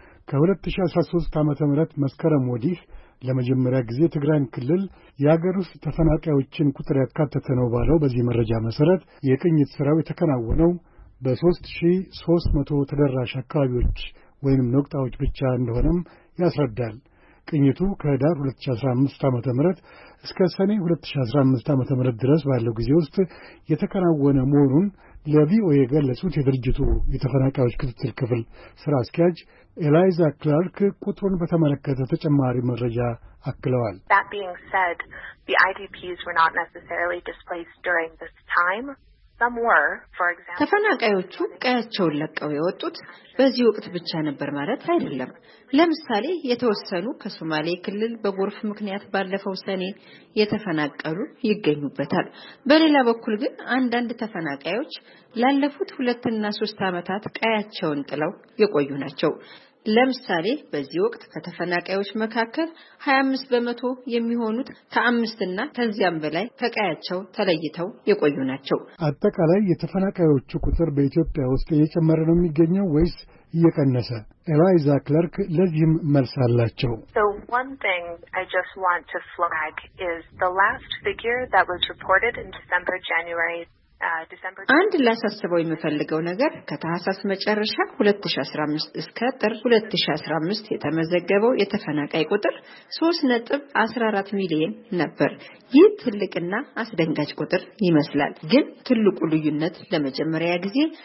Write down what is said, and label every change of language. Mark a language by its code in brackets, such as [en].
[am] ከ2013 ዓመተ ምህረት መስከረም ወዲህ ለመጀመሪያ ጊዜ ትግራይ ክልል የሀገር ውስጥ ተፈናቃዮችን ቁጥር ያካተተ ነው ባለው በዚህ መረጃ መሰረት የቅኝት ሥራው የተከናወነው በ3300 ተደራሽ አካባቢዎች ወይንም ነቁጣዎች ብቻ እንደሆነም ያስረዳል። ቅኝቱ ከዳር 2015 ዓመተ ምህረት እስከ ሰኔ 2015 ዓመተ ምህረት ድረስ ባለው ጊዜ ውስጥ የተከናወነ መሆኑን ለቪኦኤ ገለጹት የድርጅቱ የተፈናቃዮች ክትትል ክፍል ሥራ አስኪያጅ ኤላይዛ ክላርክ ቁጥሩን በተመለከተ ተጨማሪ መረጃ አክለዋል። [en] That being said, the IDPs were not necessarily displaced during this time. Some were, for example. [am] ተፈናቃዮቹ ቀያቸውን ለቀው የወጡት በዚህ ወቅት ብቻ ነበር ማለት አይደለም። ለምሳሌ የተወሰኑ ከሶማሌ ክልል በጎርፍ ምክንያት ባለፈው ሰኔ የተፈናቀሉ ይገኙበታል። በሌላ በኩል ግን አንዳንድ ተፈናቃዮች ላለፉት 2 እና 3 ዓመታት ቀያቸውን ጥለው የቆዩ ናቸው። ለምሳሌ በዚህ ወቅት ከተፈናቃዮች መካከል 25% የሚሆኑት ከ5ና ከዚያም በላይ ከቀያቸው ተለይተው የቆዩ ናቸው። አጠቃላይ የተፈናቃዮቹ ቁጥር በኢትዮጵያ ውስጥ እየጨመረ ነው የሚገኘው ወይስ እየቀነሰ? ኤላይዛ ክለርክ ለዚህም መልስ አላቸው። [en] So one thing I just want to flag is the last figure that was reported in December-January. [am] አንድ ላሳስበው የምፈልገው ነገር ከታህሳስ መጨረሻ 2015 እስከ ጥር 2015 የተመዘገበው የተፈናቃይ ቁጥር 3.14 ሚሊዮን ነበር። ይህ ትልቅና አስደንጋጭ ቁጥር ይመስላል። ግን ትልቁ ልዩነት ለመጀመሪያ ጊዜ